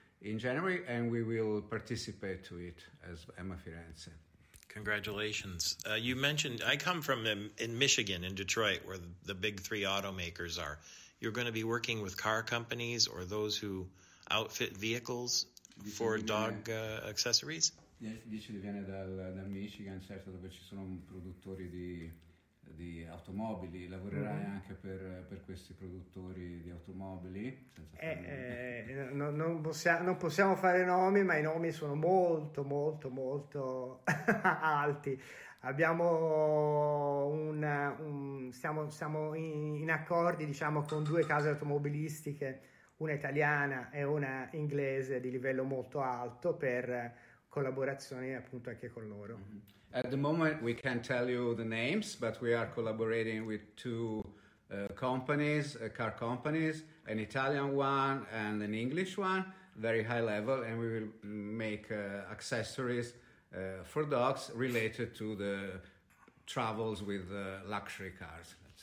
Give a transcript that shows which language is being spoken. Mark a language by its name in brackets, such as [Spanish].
[English] in January, and we will participate to it as Emma Firenze. Congratulations. You mentioned, I come from in Michigan, in Detroit, where the big three automakers are. You're going to be working with car companies or those who outfit vehicles for dog accessories? [Italian] Dice di venire dal Michigan, certo, dove ci sono produttori di automobili. Lavorerai mm-hmm. anche per questi produttori di automobili? Non possiamo fare nomi, ma i nomi sono molto, molto, molto alti. Abbiamo stiamo in accordi, diciamo, con due case automobilistiche, una italiana e una inglese di livello molto alto, per collaborazioni appunto anche con loro. Mm-hmm. [English] At the moment we can't tell you the names, but we are collaborating with two companies, car companies, an Italian one and an English one, very high level, and we will make accessories for dogs related to the travels with luxury cars.